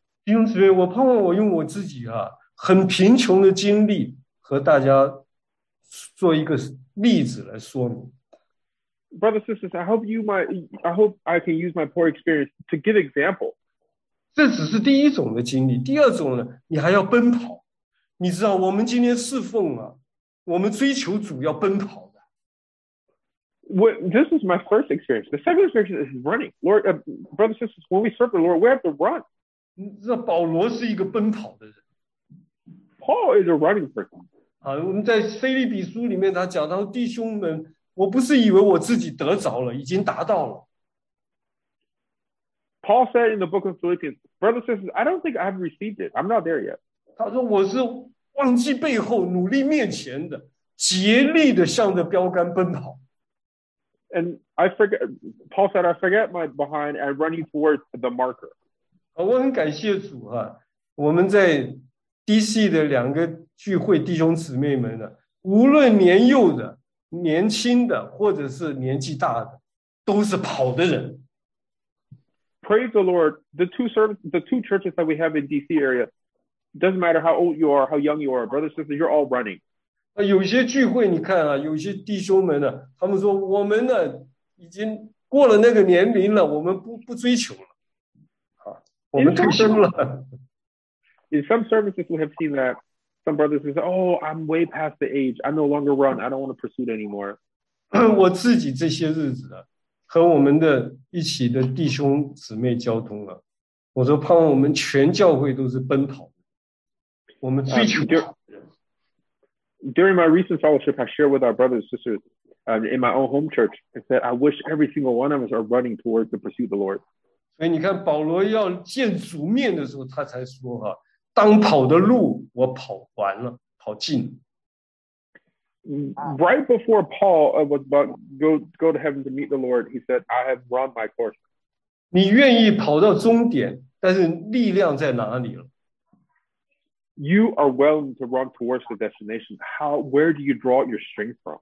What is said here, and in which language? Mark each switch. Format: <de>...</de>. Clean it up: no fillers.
<zh>弟兄姊妹，我盼望我用我自己啊，很贫穷的经历和大家做一个例子来说明。</zh> <en>Brothers and sisters, I hope I can use my poor experience to give example.</en> <zh>这只是第一种的经历，第二种呢，你还要奔跑。你知道，我们今天侍奉啊，我们追求主要奔跑的。</zh> <en>This is my first experience. The second experience is running. Lord, brothers and sisters, when we serve the Lord, we have to run.</en> <zh>你知道，保罗是一个奔跑的人。</zh> <en>Paul is a running person.</en> <zh>我们在腓立比书里面他讲到弟兄们, 我不是以为我自己得着了, 已经达到了。</zh> <en>Paul said in the book of Philippians, brothers and sisters, I don't think I've received it. I'm not there yet.</en> <zh>他说我是忘记背后, 努力面前的, 竭力地向着标杆奔跑。</zh> <en>And I forget, Paul said, I forget my behind and running towards the marker.</en> <zh>我很感谢主啊, 我们在DC的两个聚会弟兄姊妹们啊, 无论年幼的, 年轻的, 或者是年纪大的, 都是跑的人。</zh> <en>Praise the Lord. The two churches that we have in DC area, doesn't matter how old you are, how young you are, brothers and sisters, you're all running.</en> <zh>有些聚会你看啊, 有些弟兄们啊, 他们说我们呢, 已经过了那个年龄了, 我们不追求了。我们退休了。</zh> <en>In some services, we have seen that some brothers have said, oh, I'm way past the age. I no longer run. I don't want to pursue it anymore.</en> <zh>我自己这些日子啊, 和我们的一起的弟兄姊妹交通了, 我说盼望我们全教会都是奔跑, 我们追求跑。</zh> <en>During my recent fellowship, I shared with our brothers and sisters in my own home church and said, I wish every single one of us are running towards the pursuit of the Lord.</en> <zh>所以你看保罗要见主面的时候, 他才说, 当跑的路, 我跑完了, 跑尽。</zh> <en>Right before Paul was about to go to heaven to meet the Lord, he said, I have run my course.</en> <zh>你愿意跑到终点, 但是力量在哪里了?</zh> <en>You are willing to run towards the destination. Where do you draw your strength from?</en>